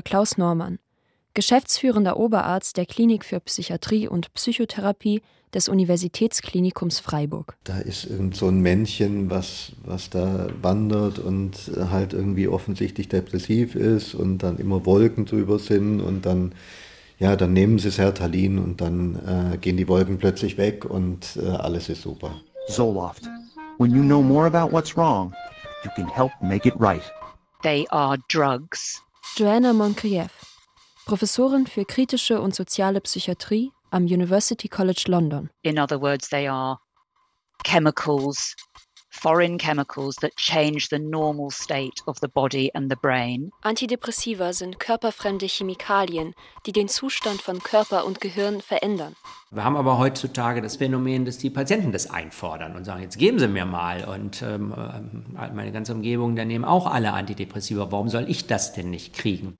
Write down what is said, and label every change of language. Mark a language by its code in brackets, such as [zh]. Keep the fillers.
[de] Klaus Normann, geschäftsführender Oberarzt der Klinik für Psychiatrie und Psychotherapie des Universitätsklinikums Freiburg. Da ist irgend so ein Männchen, was, was da wandert und halt irgendwie offensichtlich depressiv ist und dann immer Wolken drüber sind und dann, ja, dann nehmen sie Sertalin und dann äh, gehen die Wolken plötzlich weg und äh, alles ist super. [en] Zoloft, when you know more about what's wrong, you can help make it right. They are drugs. [de] Joanna Moncrieff, Professorin für kritische und soziale Psychiatrie am University College London. [en] In other words, they are chemicals, foreign chemicals that change the normal state of the body and the brain. [de] Antidepressiva sind körperfremde Chemikalien, die den Zustand von Körper und Gehirn verändern. Wir haben aber heutzutage das Phänomen, dass die Patienten das einfordern und sagen, jetzt geben Sie mir mal und ähm, meine ganze Umgebung, da nehmen auch alle Antidepressiva. Warum soll ich das denn nicht kriegen?